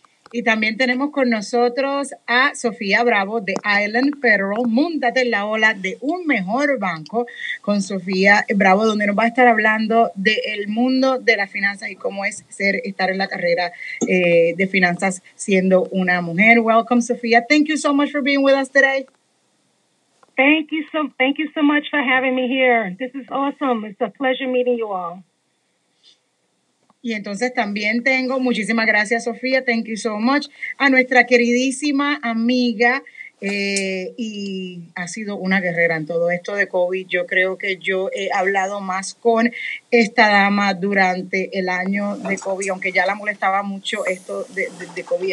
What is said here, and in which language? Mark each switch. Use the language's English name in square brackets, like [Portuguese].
[Spanish] Y también tenemos con nosotros a Sofía Bravo de Island Federal. Múntate en la ola de un mejor banco con Sofía Bravo, donde nos va a estar hablando del mundo de las finanzas y cómo es estar en la carrera de finanzas siendo una mujer. [English] Welcome, Sofía. Thank you so much for being with us today. Thank you so much for having me here. This is awesome. It's a pleasure meeting you all. [Spanish] Y entonces también tengo, muchísimas gracias, Sofía, [English] thank you so much, [Spanish] a nuestra queridísima amiga Y ha sido una guerrera en todo esto de COVID. Yo creo que yo he hablado más con esta dama durante el año de COVID, aunque ya la molestaba mucho esto de COVID.